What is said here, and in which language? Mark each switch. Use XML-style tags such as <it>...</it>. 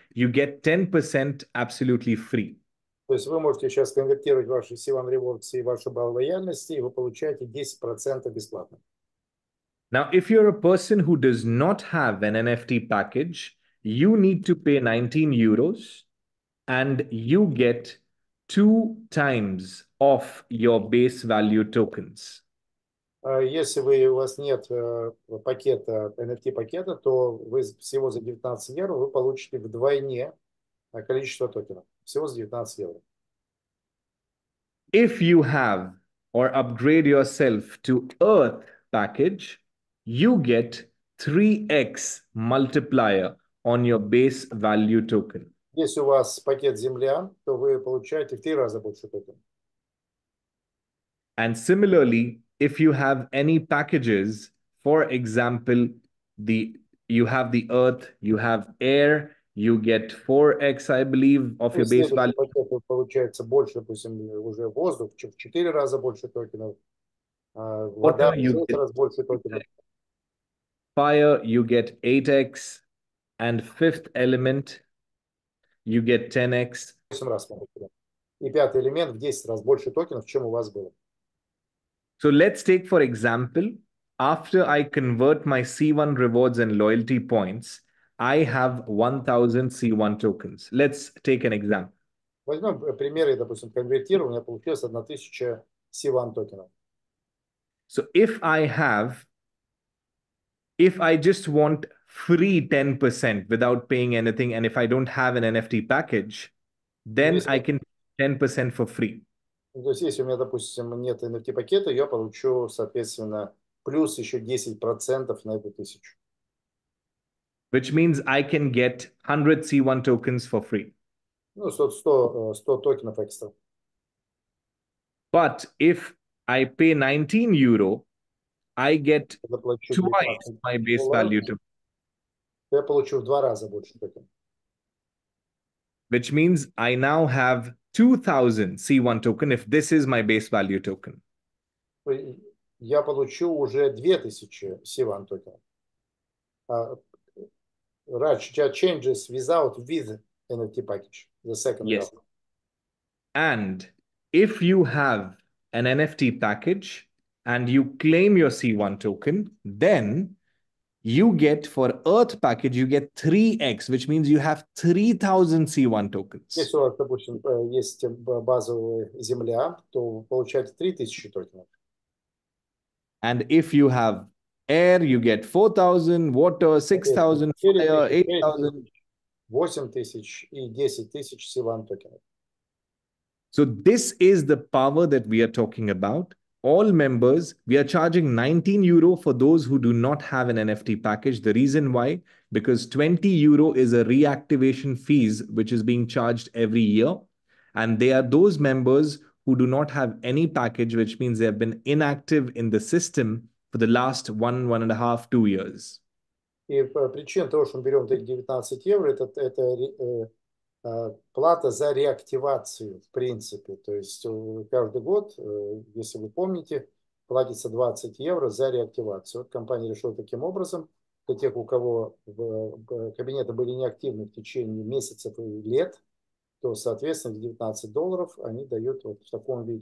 <en>You get 10% absolutely free.</en> <ru>То есть вы можете сейчас конвертировать ваши C1 rewards и ваши баллы лояльности, и вы получаете 10% бесплатно.</ru> <en>Now, if you're a person who does not have an NFT package, you need to pay 19 euros and you get 2 times off your base value tokens.</en> <ru>Если вы, у вас нет пакета, NFT-пакета, то вы всего за 19 евро вы получите вдвойне количество токенов. Всего за 19 евро.</ru> <en>If you have or upgrade yourself to Earth package, you get 3x multiplier on your base value token.</en> <ru>Если у вас пакет Земля, то вы получаете в 3 раза больше токенов.</ru> <en>And similarly, if you have any packages, for example, you have the Earth, you have Air, you get 4x, I believe, of your base value.</en> <ru>Пакетов получается больше, допустим, уже воздух, чем в 4 раза больше токенов. Вода в 6 раз больше токенов.</ru> <en>Fire, you get 8x. And fifth element, you get 10x.</en> <ru>8 раз больше. И пятый элемент в 10 раз больше токенов, чем у вас было.</ru> <en>So let's take for example, after I convert my C1 rewards and loyalty points, I have 1000 C1 tokens. Let's take an example.</en> <ru>Возьмем примеры, допустим, конвертирования, получилось 1000 C1 токенов.</ru> <en>So if I just want free 10% without paying anything, and if I don't have an NFT package, then I can 10% for free.</en> <ru>То есть, если у меня, допустим, нет NFT-пакета, я получу, соответственно, плюс еще 10% на эту тысячу.</ru> <en>Which means I can get 100 C1 tokens for free.</en> <ru>Ну, 100 токенов экстра.</ru> <en>But if I pay 19 euro, I get twice my base value token.</en> <ru>Я получу в 2 раза больше токенов.</ru> <en>Which means I now have 2000 C1 token if this is my base value token.</en> <ru>Я получу уже 2000 C1 token. Раньше</ru> <en>there are changes with NFT package, the second yes. And if you have an NFT package and you claim your C1 token, then you get for Earth package, you get 3x, which means you have 3000 C1 tokens.</en> <ru>Если у вас, допустим, есть базовая земля, то вы получаете 3000 токенов.</ru> <en>And if you have air, you get 4000, water, 6000, fire, 8000.</en> <ru>8000 и 10000 C1 токенов.</ru> <en>So this is the power that we are talking about. All members, we are charging 19 euro for those who do not have an NFT package. The reason why? Because 20 euro is a reactivation fees which is being charged every year. And they are those members who do not have any package, which means they have been inactive in the system for the last 1.5-2 years.</en> <ru>И причина того, что мы берем 19 евро, это плата за реактивацию, в принципе. То есть каждый год, если вы помните, платится 20 евро за реактивацию. Компания решила таким образом, для тех, у кого кабинеты были неактивны в течение месяцев и лет, то, соответственно, $19 они дают вот в таком виде.</ru>